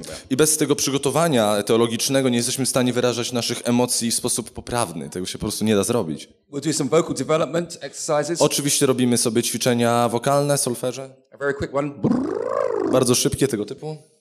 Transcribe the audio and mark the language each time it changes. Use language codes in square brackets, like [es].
[pl] I bez tego przygotowania teologicznego nie jesteśmy w stanie wyrażać naszych emocji w sposób poprawny. Tego się po prostu nie da zrobić. [en] We'll do some vocal development exercises. [pl] Oczywiście robimy sobie ćwiczenia wokalne, solfeże. [en] A very quick one. [pl] Bardzo szybkie tego typu.